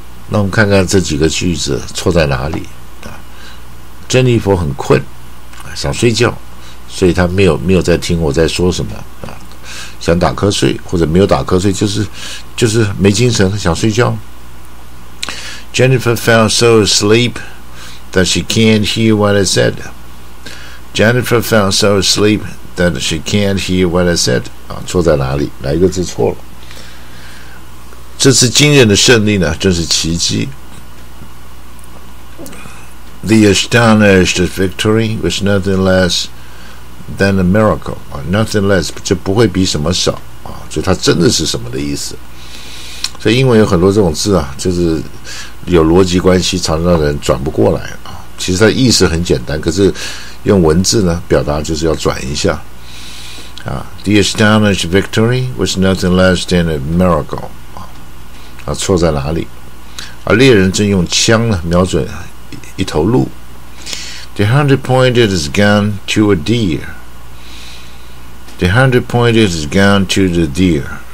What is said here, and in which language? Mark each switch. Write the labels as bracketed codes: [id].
[zh] 那我们看看这几个句子错在哪里。珍妮佛很困，想睡觉，所以她没有在听我在说什么，想打瞌睡，或者没有打瞌睡，就是没精神，想睡觉。 [en] Jennifer fell so asleep that she can't hear what I said. Jennifer fell so asleep that she can't hear what I said. [zh] 错在哪里？哪一个字错了？这次惊人的胜利呢，真是奇迹。 [en] The astonished victory was nothing less than a miracle. Nothing less [zh] 就不会比什么少啊，就它真的是什么的意思。所以英文有很多这种字啊，就是有逻辑关系，常常让人转不过来啊。其实它意思很简单，可是用文字呢表达就是要转一下啊。 [en] The astonished victory was nothing less than a miracle. [zh] 啊，错在哪里？啊，猎人正用枪呢瞄准一头鹿。 [en] The hunter pointed his gun to a deer. The hunter pointed his gun to the deer.